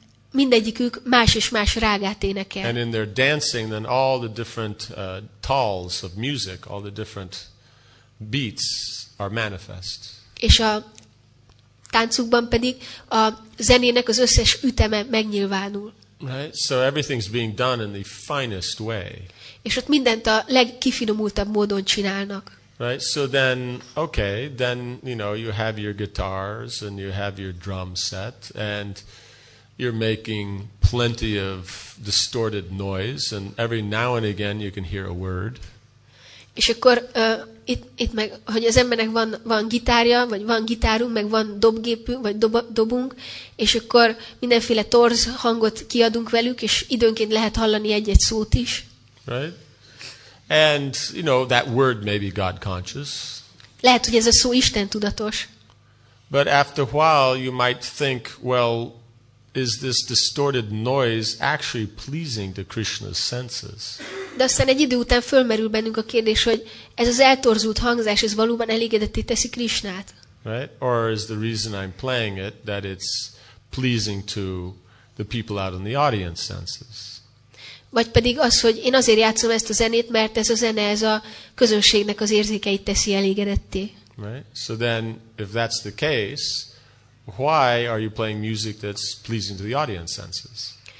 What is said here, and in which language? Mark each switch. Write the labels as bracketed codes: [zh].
[hu] Mindegyikük más és más rágát énekel. [en] And in their dancing, then all the different talls of music, all the different beats are manifest. [hu] És a táncukban pedig a zenének az összes üteme megnyilvánul. [en] Right? So everything's being done in the finest way. [hu] És ott mindent a legkifinomultabb módon csinálnak. [en] Right? So then, okay, then, you know, you have your guitars and you have your drum set and you're making plenty of distorted noise, and every now and again you can hear a word. [hu] És akkor itt meg, hogy az embernek van gitárja, vagy van gitárunk, meg van dobgépünk, vagy dobunk, és akkor mindenféle torz hangot kiadunk velük, és időnként lehet hallani egy-egy szót is. [en] Right? And you know that word may be God conscious. [hu] Lehet, hogy ez a szó Isten tudatos. [en] But after a while you might think, well, is this distorted noise actually pleasing to Krishna's senses? [hu] De aztán egy idő után fölmerül bennünk a kérdés, hogy ez az eltorzult hangzás, ez valóban elégedetté teszi Krishnát? [en] Right? Or is the reason I'm playing it that it's pleasing to the people out in the audience senses? [hu] Vagy pedig az, hogy én azért játszom ezt a zenét, mert ez a zene, ez a közönségnek az érzékeit teszi elégedetté. [en] Right? So then, if that's the case, why are you playing music that's pleasing to the audience senses?